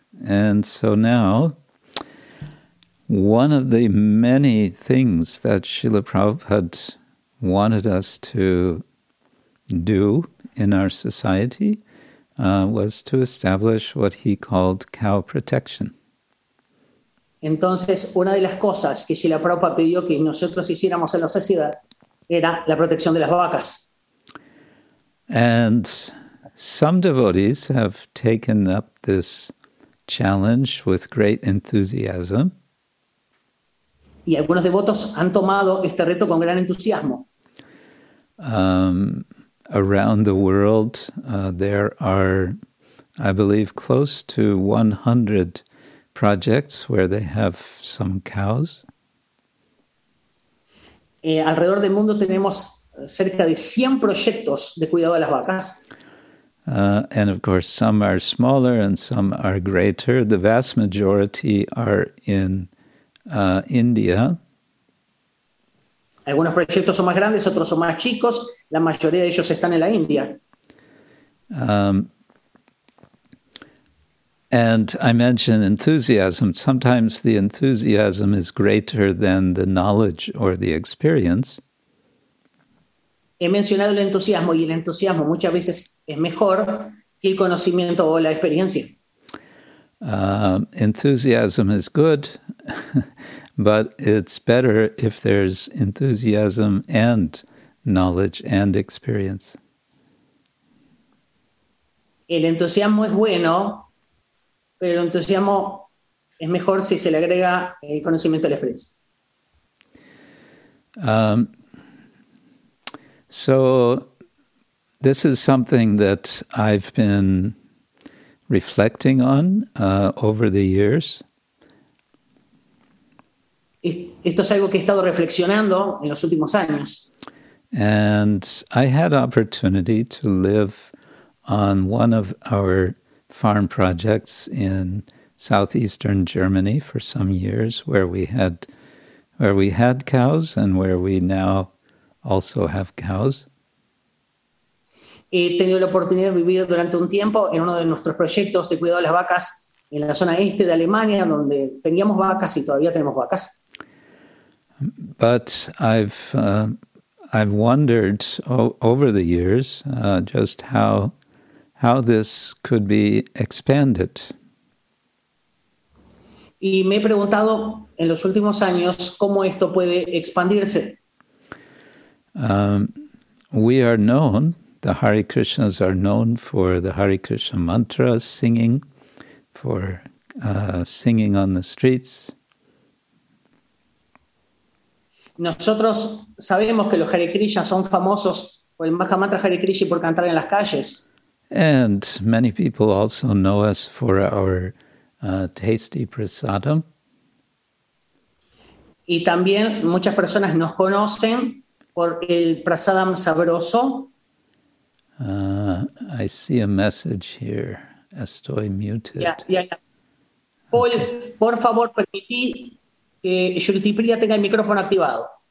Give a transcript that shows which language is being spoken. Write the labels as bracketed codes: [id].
[en] And so now, one of the many things that Srila Prabhupada wanted us to do in our society was to establish what he called cow protection. [es] Entonces, una de las cosas que Srila Prabhupada pidió que nosotros hiciéramos en la sociedad era la protección de las vacas. [en] And some devotees have taken up this challenge with great enthusiasm. [es] y algunos devotos han tomado este reto con gran entusiasmo. [en] Around the world, there are, I believe, close to 100 projects where they have some cows. [es] Alrededor del mundo tenemos cerca de 100 proyectos de cuidado de las vacas. [en] And of course, some are smaller and some are greater. The vast majority are in India. [es] Algunos proyectos son más grandes, otros son más chicos. La mayoría de ellos están en la India. [en] And I mentioned enthusiasm. Sometimes the enthusiasm is greater than the knowledge or the experience. [es] He mencionado el entusiasmo, y el entusiasmo muchas veces es mejor que el conocimiento o la experiencia. [en] Enthusiasm is good, but it's better if there's enthusiasm and knowledge and experience. [es] El entusiasmo es bueno, pero el entusiasmo es mejor si se le agrega el conocimiento a la experiencia. [en] So this is something that I've been reflecting on over the years. [es] Esto es algo que he estado reflexionando en los últimos años. [en] And I had opportunity to live on one of our farm projects in southeastern Germany for some years, where we had cows and where we now also have cows. [es] He tenido la oportunidad de vivir durante un tiempo en uno de nuestros proyectos de cuidado de las vacas en la zona este de Alemania, donde teníamos vacas y todavía tenemos vacas. [en] But I've wondered over the years just how this could be expanded. [es] Y me he preguntado en los últimos años cómo esto puede expandirse. [en] We are known, the Hare Krishnas are known for the Hare Krishna mantra singing, for singing on the streets. [es] Nosotros sabemos que los Hare Krishnas son famosos por el Maha Mantra Hare Krishna y por cantar en las calles. [en] And many people also know us for our tasty prasadam. [es] Y también muchas personas nos conocen por el prasadam sabroso. [en] I see a message here. [es] Estoy [en] muted. Yeah. Paul, okay. [es] Por favor, permití que Shruti Priya tenga el micrófono activado.